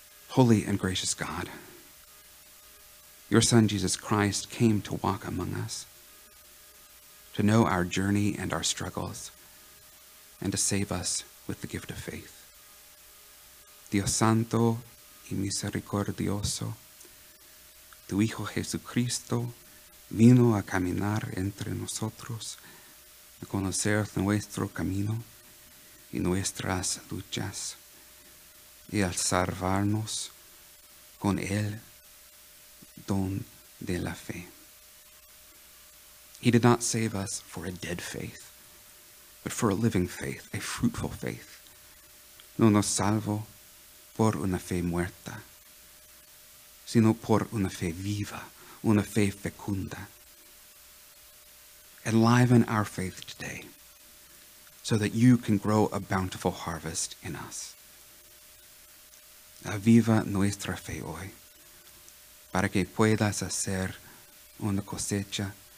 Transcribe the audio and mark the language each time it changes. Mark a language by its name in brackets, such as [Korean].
[English] Holy and gracious God, your Son Jesus Christ came to walk among us, to know our journey and our struggles, and to save us with the gift of faith. [Spanish] Dios Santo y Misericordioso, tu Hijo Jesucristo vino a caminar entre nosotros, a conocer nuestro camino y nuestras luchas, y al salvarnos con el don de la fe. [English] He did not save us for a dead faith, but for a living faith, a fruitful faith. [Spanish] No nos salvó por una fe muerta, sino por una fe viva, una fe fecunda. [English] Enliven our faith today so that you can grow a bountiful harvest in us. [Spanish] Aviva nuestra fe hoy, para que puedas hacer una cosecha